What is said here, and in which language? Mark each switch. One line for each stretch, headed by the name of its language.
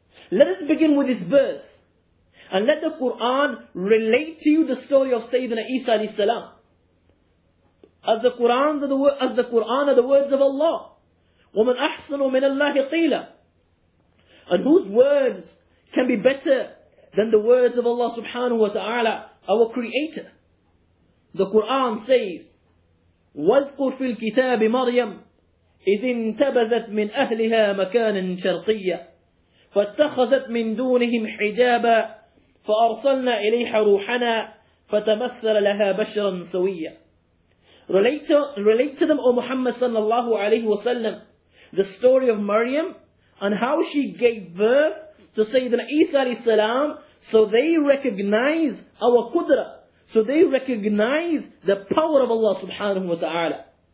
English: Let us begin with his birth. And let the Quran relate to you the story of Sayyidina Isa alayhi salam. As the Quran are the words of Allah.
Arabic: وَمَنْ أَحْسَنُ مِنَ اللَّهِ قِيلًا.
English: And whose words can be better than the words of Allah subhanahu wa ta'ala, our creator? The Quran says,
Arabic: وَذْكُرْ فِي الْكِتَابِ مَرْيَمْ إِذِ انْتَبَذَتْ مِنْ أَهْلِهَا مَكَانًا شَرْقِيًّا فاتخذت من دونهم حجابا فأرسلنا إليها روحنا فتمثل لها بشرا سويا.
English: Relate to them, O Muhammad sallallahu alayhi wa sallam, the story of Maryam and how she gave birth to Sayyidina Isa alayhi salam, so they recognize our qudra, so they recognize the power of Allah subhanahu wa ta'ala.